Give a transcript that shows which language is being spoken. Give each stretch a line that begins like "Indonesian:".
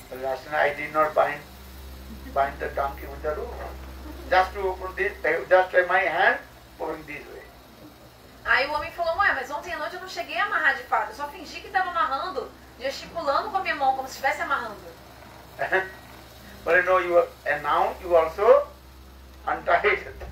English: Last night I did not bind the donkey with the rope. Just to open this, just by my hand, pulling this way.
Portuguese: Aí o homem falou, ué, mas ontem à noite eu não cheguei a amarrar de fato, eu só fingi que estava amarrando de gesticulando com a minha mão, como se estivesse amarrando.
English: But you know, you are, and now you also untied.